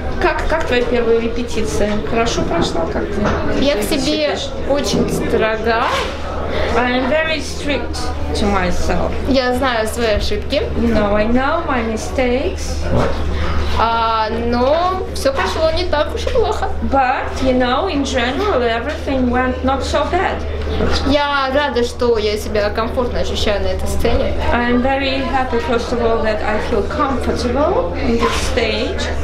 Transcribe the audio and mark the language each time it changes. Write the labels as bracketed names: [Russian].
[Russian] Как твоя первая репетиция? Хорошо прошла как-то? Я к себе очень строга. [English] I am very strict to myself. [Russian] Я знаю свои ошибки. [English] You know, I know my mistakes. [Russian] Но все прошло не так уж и плохо. [English] But, you know, in general, everything went not so bad. [Russian] Я рада, что я себя комфортно ощущаю на этой сцене. [English] I am very happy, first of all, that I feel comfortable in this stage.